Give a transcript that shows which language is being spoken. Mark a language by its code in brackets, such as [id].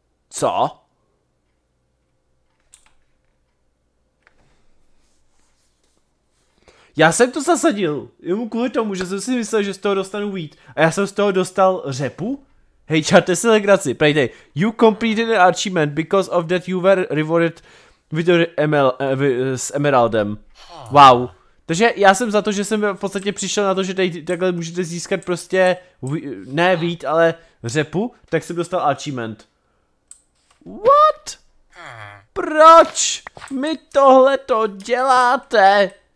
[cs] Co? Já jsem to zasadil, jenom kvůli tomu, že jsem si myslel, že z toho dostanu wheat. A já jsem z toho dostal řepu? Hej, čarte si legraci, prejtej. [en] You completed an achievement, because of that you were rewarded with [cs] s emeraldem. Wow. Takže já jsem za to, že jsem v podstatě přišel na to, že takhle můžete získat prostě, ne wheat, ale řepu, tak jsem dostal achievement. [en] What? [cs] Proč mi tohle to děláte?